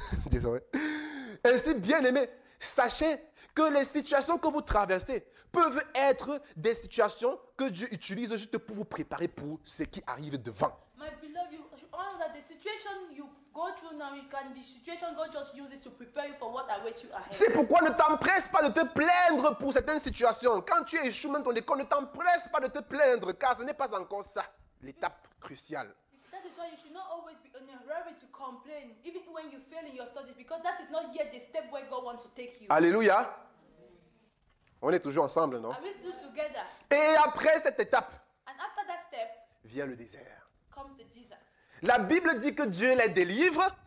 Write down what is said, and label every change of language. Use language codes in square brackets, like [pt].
[fr] Désolé. Ainsi, bien-aimés, sachez que les situations que vous traversez peuvent être des situations que Dieu utilise juste pour vous préparer pour ce qui arrive devant. [en] My beloved, you all that the situation you go through now, it can be situation God just uses to prepare you for what awaits you ahead. [fr] C'est pourquoi ne t'empresse pas de te plaindre pour certaines situations. Quand tu échoues même ton école, ne t'empresse pas de te plaindre car ce n'est pas encore ça l'étape cruciale. [en] That is why you should not always be in a hurry to complain, even when you fail in your studies, because that is not yet the step where God wants to take you. Alléluia. [fr] On est toujours ensemble, non? [en] Are we still together? [fr] Et après cette étape, [en] and after that step, [fr] vient le désert. [en] Comes the desert. [fr] La Bible dit que Dieu les délivre.